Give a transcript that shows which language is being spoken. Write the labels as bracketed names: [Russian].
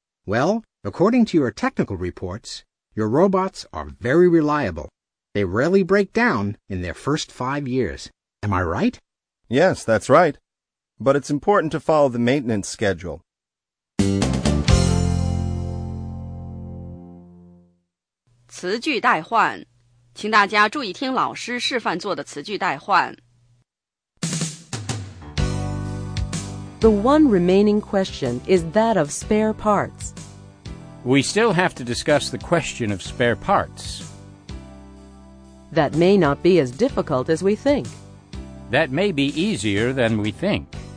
[English] Well, according to your technical reports, your robots are very reliable. They rarely break down in their first 5 years. Am I right? Yes, that's right. But it's important to follow the maintenance schedule. [Chinese] 词句代换，请大家注意听老师示范做的词句代换。 [English] The one remaining question is that of spare parts. We still have to discuss the question of spare parts. That may not be as difficult as we think. That may be easier than we think.